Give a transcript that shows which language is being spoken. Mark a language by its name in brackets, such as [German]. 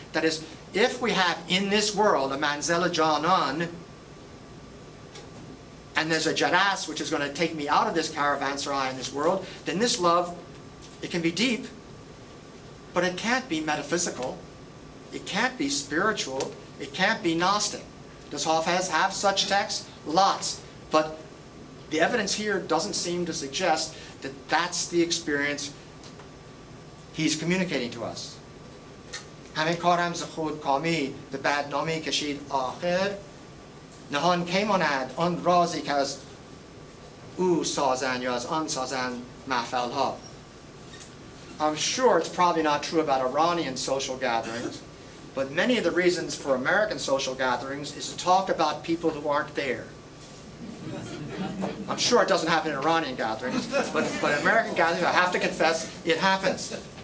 [English] That is, if we have in this world a [Persian] manzela janan, [English] and there's a jaras which is going to take me out of this caravanserai in this world, then this love, it can be deep, but it can't be metaphysical. It can't be spiritual. It can't be Gnostic. Does Hafez have such texts? Lots. But the evidence here doesn't seem to suggest that that's the experience he's communicating to us. [Persian] همه کارم ز خود کامی به بدنامی کشید آخر نهان کیماند آن رازی که از او سازند یا از آن سازند محفلها. [English] I'm sure it's probably not true about Iranian social gatherings, but many of the reasons for American social gatherings is to talk about people who aren't there. I'm sure it doesn't happen in Iranian gatherings, but American gatherings, I have to confess, it happens.